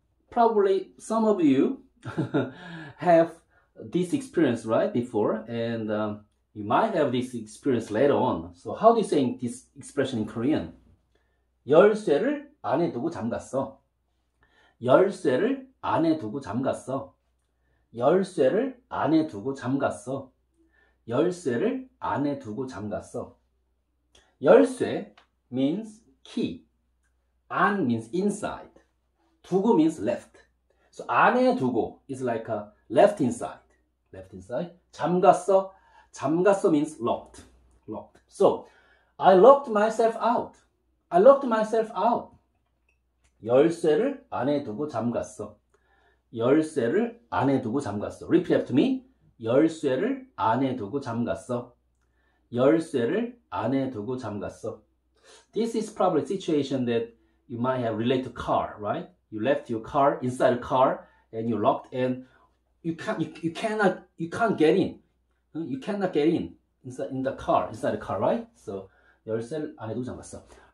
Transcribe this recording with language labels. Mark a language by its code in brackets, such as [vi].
[en] Probably some of you have this experience, right, before, and you might have this experience later on. So how do you say this expression in Korean? [ko] 열쇠를 안에 두고 잠갔어. 열쇠를 안에 두고 잠갔어. 열쇠를 안에 두고 잠갔어. 열쇠를 안에 두고 잠갔어. [en] 열쇠 means key. 안 means inside. 두고 means left. So 안에 두고 is like a left inside. Left inside. 잠갔어. 잠갔어 means locked. Locked. So, I locked myself out. I locked myself out. [ko] 열쇠를 안에 두고 잠갔어. 열쇠를 안에 두고 잠갔어. [en] Repeat after me. [ko] 열쇠를 안에 두고 잠갔어. 열쇠를 안에 두고 잠갔어. [en] This is probably a situation that you might have related to car, right? You left your car inside a car and you locked and you can't get in. You cannot get in inside in the car, inside the car, right? [ko] So, 열쇠를 안에 두고 잠갔어.